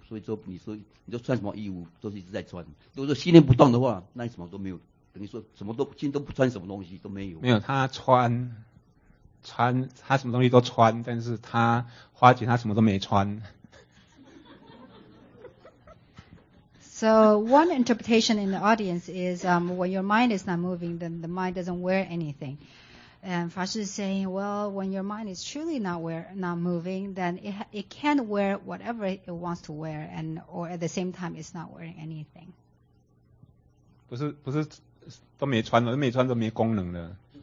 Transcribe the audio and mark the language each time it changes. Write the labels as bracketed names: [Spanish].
[Chinese] 所以说，你说穿什么衣服都是一直在穿。如果说心念不动的话，那你什么都没有，等于说什么都心都不穿，什么东西都没有。没有，他穿他什么东西都穿，但是他花钱他什么都没穿。 [English] So one interpretation in the audience is when your mind is not moving, then the mind doesn't wear anything. And Fa Shi is saying, well, when your mind is truly not moving, then it can wear whatever it wants to wear, and or at the same time, it's not wearing anything. [Chinese] 不是都没穿了，没穿都没功能了。